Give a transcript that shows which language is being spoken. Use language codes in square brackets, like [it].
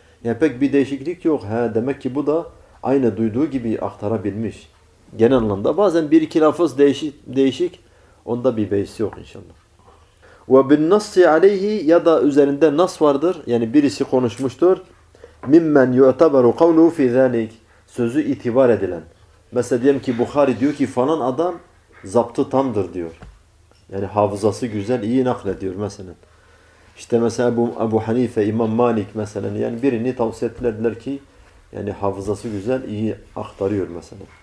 [tr] Yani pek bir değişiklik yok. He, demek ki bu da aynı duyduğu gibi aktarabilmiş. Genel anlamda. Bazen bir iki lafız değişik. Onda bir beis yok inşallah. [ar] وَبِالنَّصِّ عَلَيْهِ [tr] ya da üzerinde nas vardır. Yani birisi konuşmuştur. [ar] مِمَّنْ يُعْتَبَرُ قَوْلُهُ فِي ذَٰلِكِ [tr] sözü itibar edilen. Mesela diyelim ki Bukhari diyor ki falan adam zaptı tamdır diyor. Yani hafızası güzel, iyi naklediyor mesela. İşte mesela Ebu Hanife, İmam Malik mesela. Yani birini tavsiye ettiler ki yani hafızası güzel, iyi aktarıyor mesela.